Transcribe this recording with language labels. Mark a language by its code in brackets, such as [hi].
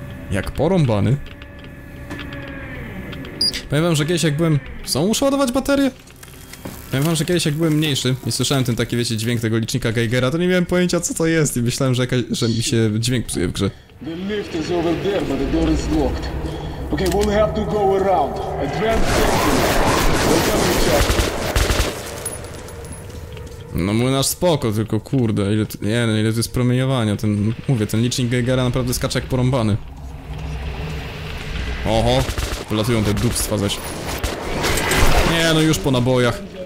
[pl] Jak porąbany. Powiem wam, że kiedyś jak byłem... Są muszę ładować baterie? Powiem wam, że kiedyś jak byłem mniejszy i słyszałem ten taki, wiecie, dźwięk tego licznika Geigera, to nie miałem pojęcia, co to jest i myślałem, że jakaś, że mi się dźwięk psuje w grze. [en] The lift is over there, but the door is locked. Okay, we'll have to go around. Advance safety. [pl] No młynarz spoko, tylko kurde, ile tu, nie, ile tu jest promieniowania, ten, mówię, ten licznik Geigera naprawdę skacze jak porąbany. Oho, wylatują te dupstwa zaś. Nie, no już po nabojach.